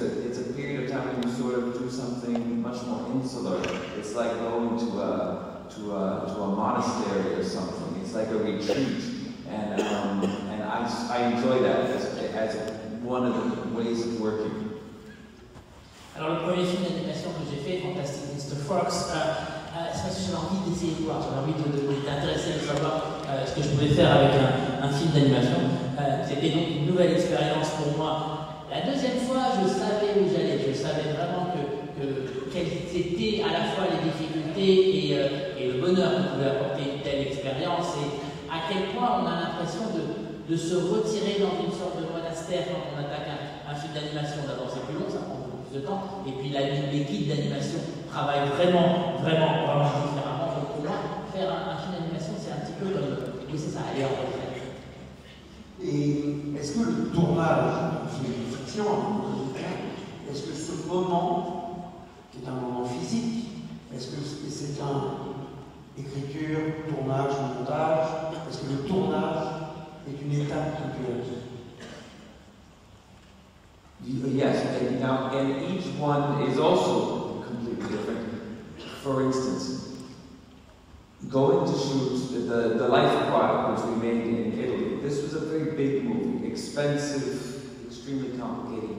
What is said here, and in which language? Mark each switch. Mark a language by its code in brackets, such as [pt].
[en] It's a period of time when you sort of do something much more insular. It's like going to a monastery or something. It's like a retreat. And I enjoy that as one of the ways of working. [fr] Alors, le premier film d'animation que j'ai fait, Fantastic Mr. Fox, c'est parce que j'ai envie d'essayer de voir, j'ai envie d'être intéressé de savoir ce que je pouvais faire avec un film d'animation. C'était donc une nouvelle expérience pour moi. La deuxième fois, je savais où j'allais, je savais vraiment quelles étaient à la fois les difficultés et le bonheur que pouvait apporter une telle expérience, et à quel point on a l'impression de se retirer dans une sorte de monastère quand on attaque un film d'animation. D'abord, c'est plus long, ça prend de temps, et puis l'équipe d'animation travaille vraiment différemment. Donc là, faire un film d'animation, c'est un petit peu comme laisser ça aller en retraite. Et est-ce que le tournage d'un film de fiction, est-ce que ce moment, qui est un moment physique, est-ce que c'est un écriture, tournage, montage, est-ce que le tournage est une étape de plus en plus? [en] Yes, and each one is also completely different. For instance, going to shoot the Life Aquatic, which we made in Italy, this was a very big movie, expensive, extremely complicated.